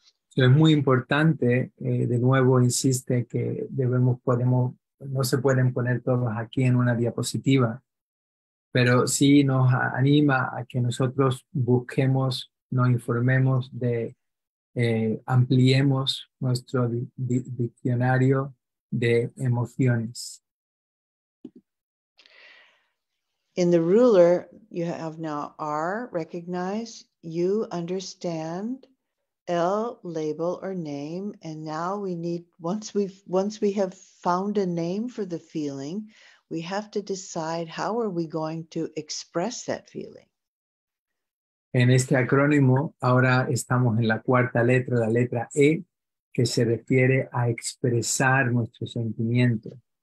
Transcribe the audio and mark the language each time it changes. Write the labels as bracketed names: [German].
[Spanish] So es muy importante, de nuevo insiste que no se pueden poner todos aquí en una diapositiva. Pero sí nos anima a que nosotros busquemos, nos informemos, ampliemos nuestro diccionario de emociones. [English] In the ruler, you have now R, recognize, U, understand, L, label or name, and now we need, once we have found a name for the feeling, we have to decide how are we going to express that feeling. [Spanish] En este acrónimo, ahora estamos en la cuarta letra, la letra E, que se refiere a expresar nuestro sentimiento.